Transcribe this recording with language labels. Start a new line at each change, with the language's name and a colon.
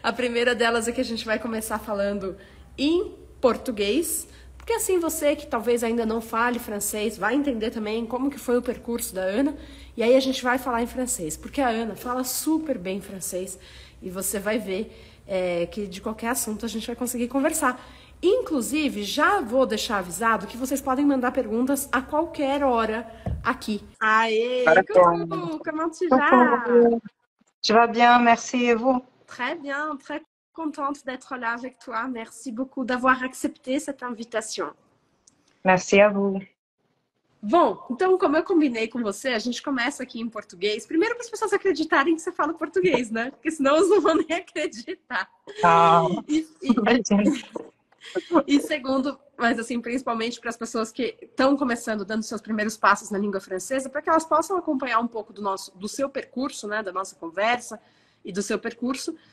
Portuguese: A primeira delas é que a gente vai começar falando em português, porque assim você que talvez ainda não fale francês vai entender também como que foi o percurso da Ana, e aí a gente vai falar em francês, porque a Ana fala super bem francês e você vai ver que de qualquer assunto a gente vai conseguir conversar. Inclusive, já vou deixar avisado que vocês podem mandar perguntas a qualquer hora aqui. Aê!
French: Comment tu vas? Tu vas bien, merci, et vous? Très bien, très contente d'être là avec toi. Merci beaucoup d'avoir accepté cette invitation. Merci à vous.
Portuguese: Bom, então, como eu combinei com você, a gente começa aqui em português. Primeiro, para as pessoas acreditarem que você fala português, né? Porque senão elas não vão nem acreditar. Ah, e segundo, mas assim, principalmente para as pessoas que estão começando, dando seus primeiros passos na língua francesa, para que elas possam acompanhar um pouco do seu percurso, né, da nossa conversa e do seu percurso.